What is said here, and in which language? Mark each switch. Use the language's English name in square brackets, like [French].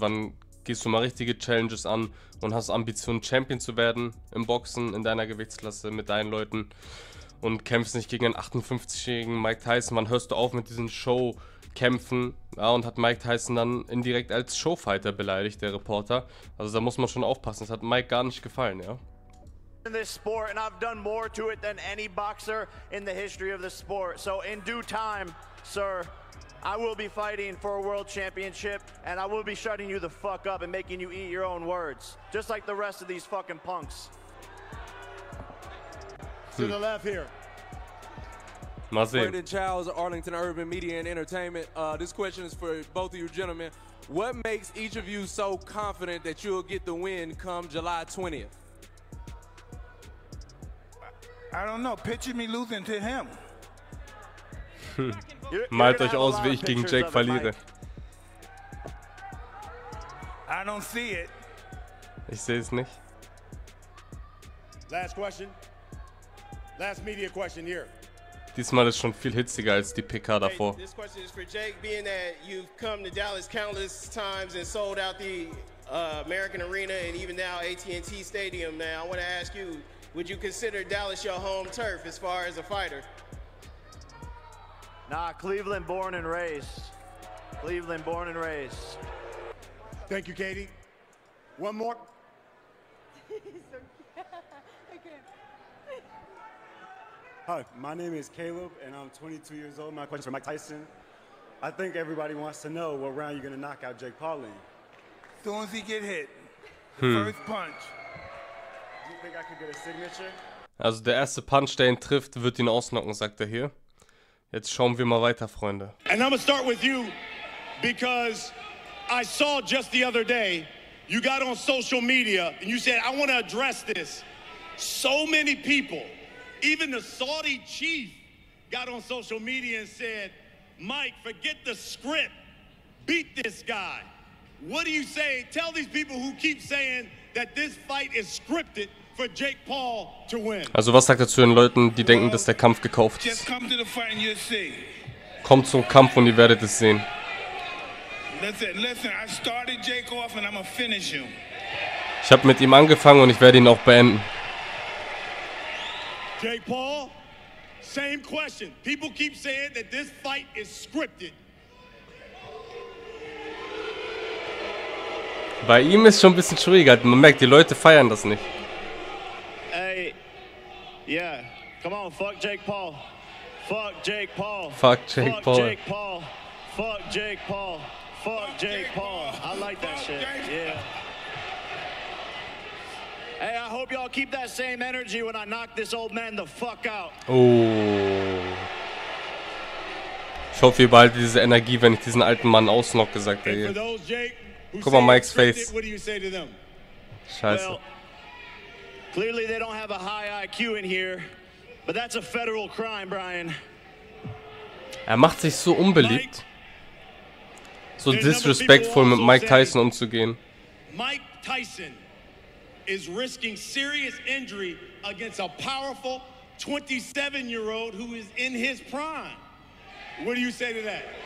[German] Wann gehst du mal richtige Challenges an und hast Ambitionen, Champion zu werden im Boxen in deiner Gewichtsklasse mit deinen Leuten und kämpfst nicht gegen einen 58-jährigen Mike Tyson? Wann hörst du auf mit diesen Show? Kämpfen, ja, und hat Mike Tyson dann indirekt als Showfighter beleidigt, der Reporter. Also da muss man schon aufpassen, das hat Mike gar nicht gefallen, ja. [English] In this sport and I've done more to it than any boxer in the history of the sport. So in due time, sir, I will be fighting for a world championship and I will be shutting you the fuck up and making you eat your own words, just like the rest of these fucking punks. To the left here. Brandon Childs, Arlington Urban Media and Entertainment. This question is for both of you gentlemen. What makes each of you so confident that you'll get the win come July 20th? I don't know. Picture me losing to him. [German] Malt euch aus, wie ich gegen Jake verliere. [English] I don't see it. [German] Ich sehe es nicht. [English] Last question. Last media question here. [German] Diesmal ist schon viel hitziger als die PK davor. [English] This question is for Jake, being that you've come to Dallas countless times and sold out the American Arena and even now AT&T Stadium. Now I want to ask you, would you consider Dallas your home turf as far as a fighter? Nah, Cleveland born and raised. Cleveland born and raised. Thank you, Katie. One more. Hi, my name is Caleb, and I'm 22 years old. My question for Mike Tyson. I think everybody wants to know what round you're going to knock out Jake Paul in. As soon as he get hit. First punch. Do you think I could get a signature? [German] Also der erste Punch, der ihn trifft, wird ihn ausknocken, sagt er hier. Jetzt schauen wir mal weiter, Freunde. [English] And I'm going to start with you, because I saw just the other day, you got on social media, and you said, I want to address this. So many people. Even the Saudi chief got on social media and said, Mike, forget the script. Beat this guy. What do you say? Tell these people who keep saying that this fight is scripted for Jake Paul to win. [German] Also was sagt er zu den Leuten, die denken, dass der Kampf gekauft ist? [English] Just come to the fight and you'll see. [German] Kommt zum Kampf und ihr werdet es sehen. [English] Listen, I started Jake off and I'm gonna finish him. [German] Ich habe mit ihm angefangen und ich werde ihn auch beenden. [English] Jake Paul, same question. People keep saying that this fight is scripted. [German] Bei ihm ist schon ein bisschen schwieriger. Man merkt, die Leute feiern das nicht. [English] Ey, yeah, come on, fuck Jake Paul. Fuck Jake Paul. Fuck Jake Paul. Fuck Jake Paul. Fuck Jake Paul. Fuck Jake Paul. I like that shit, yeah. Hey, I hope y'all keep that same energy when I knock this old man the fuck out. Oh. [German] Ich hoffe, ihr behaltet diese Energie, wenn ich diesen alten Mann ausknocke, sagt er hier. Guck mal, [English] Mike's face. [German] Scheiße. [English] Clearly they don't have a high IQ in here, but that's a federal crime, Brian. [German] Er macht sich so unbeliebt. So disrespectful mit Mike Tyson umzugehen. [English] Mike Tyson is risking serious injury against a powerful 27-year-old who is in his prime. What do you say to that?